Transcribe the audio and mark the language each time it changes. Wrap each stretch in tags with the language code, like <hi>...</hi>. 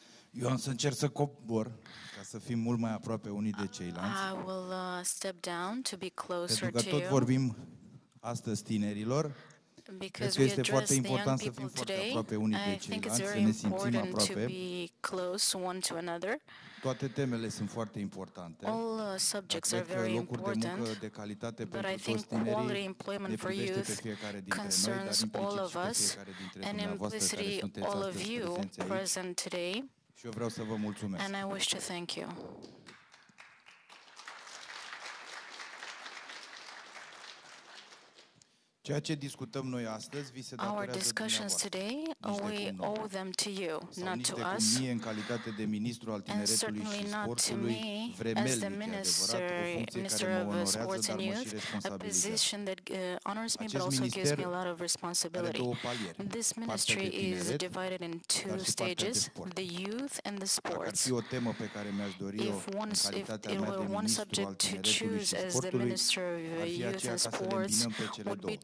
<ro>Eu am să încerc să cobor ca să fim mult mai aproape unii de ceilalți.</ro> <en>I will step down to be closer to you.</en> <ro>Pentru că tot vorbim astăzi tinerilor.</ro> <en>Because we address the young people today, I think it's very important to be close one to another.</en> <ro>Toate temele sunt foarte importante.</ro> <en>All subjects are very important, but I think quality employment for youth concerns all of us, and implicitly all of you present today, and I wish to thank you.</en> <ro>Ceea ce discutăm noi astăzi vi se datorează.</ro> <en>Our discussions today, we owe them to you, not to us.</en> <ro>Sau nici de cum mie, în calitate de ministru al tineretului și sportului, vremelnic,</ro> <en>as the minister of sports and youth, a position that honors me but also gives me a lot of responsibility. This ministry is divided in two stages, the youth and the sports.</en> <ro>Și o temă pe care mi-aș dori o calitate mea de ministru al tineretului și sportului, ar fi aceea ca să le îmbinăm pe cele două.</ro>